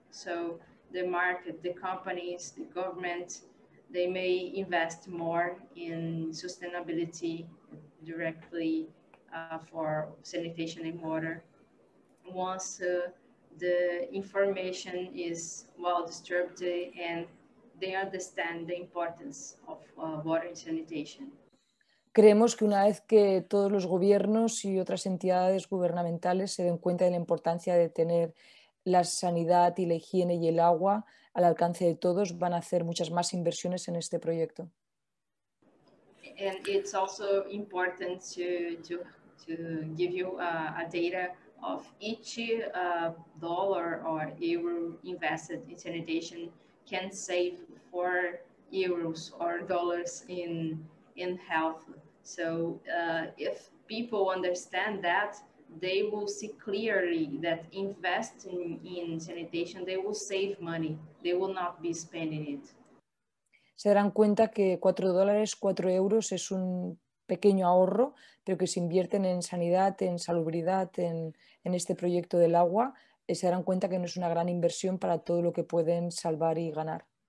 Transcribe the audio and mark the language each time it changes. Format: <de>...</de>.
<en>So the market, the companies, the government, they may invest more in sustainability directly for sanitation and water. Once the information is well distributed and they understand the importance of water and sanitation.</en> <es>Creemos que una vez que todos los gobiernos y otras entidades gubernamentales se den cuenta de la importancia de tener la sanidad y la higiene y el agua al alcance de todos, van a hacer muchas más inversiones en este proyecto.</es> <en>And it's also important to give you a data of each dollar or euro invested in sanitation can save 4 euros or dollars in health. So if people understand that, they will see clearly that investing in sanitation, they will save money. They will not be spending it.</en> <es>Se darán cuenta que $4, 4 euros es un pequeño ahorro, pero que se invierten en sanidad, en salubridad, en este proyecto del agua, se darán cuenta que no es una gran inversión para todo lo que pueden salvar y ganar.</es>